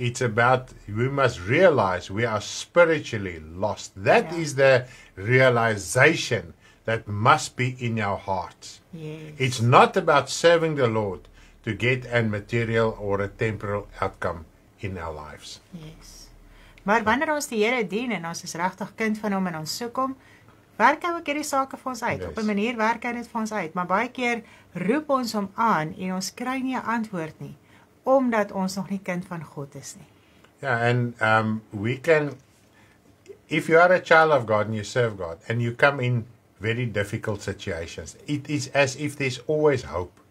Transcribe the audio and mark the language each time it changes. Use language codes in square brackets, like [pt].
[en] It's about, we must realize we are spiritually lost. That yeah. is the realization that must be in our hearts. Yes. It's not about serving the Lord to get a material or a temporal outcome in our lives. Yes. [af] Maar wanneer ons die Here dien en ons is regtig kind van hom en ons soek hom, werk hy ook hierdie sake vir ons uit. [en] Yes. [af] Op 'n manier werk hy dit vir ons uit. Maar baie keer roep ons hom aan en ons kry nie 'n antwoord nie, omdat ons nog nie kind van God is nie. [en] Ja, and we can, if you are a child of God and you serve God and you come in very difficult situations, it is as if there's always hope.